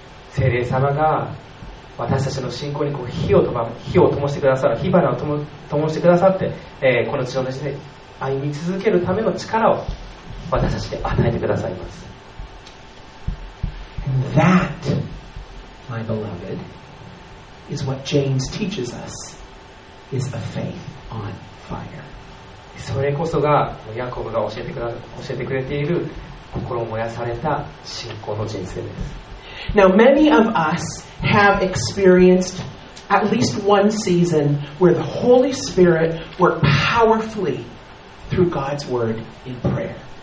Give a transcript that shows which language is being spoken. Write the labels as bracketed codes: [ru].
[ja] 聖霊様が私たちの信仰にこう火を灯してくださる火花を灯してくださって、この地上で歩み続けるための力を私たちに与えてくださいます [en] And that, my beloved, is what James teaches us is a faith on fire [ja] それこそがヤコブが教えてくれている心燃やされた信仰の人生です。 [en] Now many of us have experienced at least one season where the Holy Spirit worked powerfully through God's Word in prayer.